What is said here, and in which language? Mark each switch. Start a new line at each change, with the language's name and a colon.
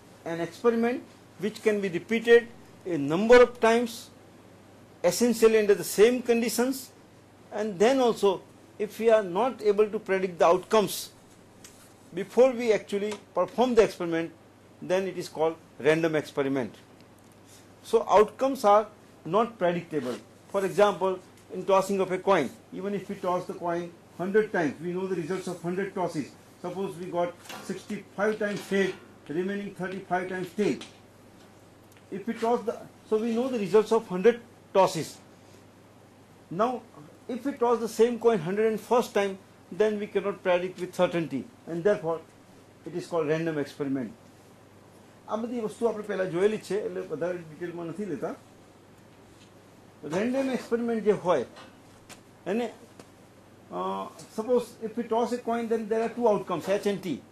English: An experiment which can be repeated a number of times essentially under the same conditions and then also if you are not able to predict the outcomes before we actually perform the experiment, then it is called random experiment. So outcomes are not predictable. For example, in tossing of a coin, even if we toss the coin 100 times, we know the results of 100 tosses. Suppose we got 65 times failed, remaining 35 times failed. If we toss the, so we know the results of 100 tosses. Now, if we toss the same coin 101st time, then we cannot predict with certainty, and therefore it is called random experiment.
Gujarati: આ બધી વસ્તુ આપણે પહેલા જોયેલી છે એટલે વધારે ડિટેલમાં નથી લેતા.
English: random experiment
Gujarati: જે હોય એને
English: Suppose if you toss a coin then there are two outcomes H and T.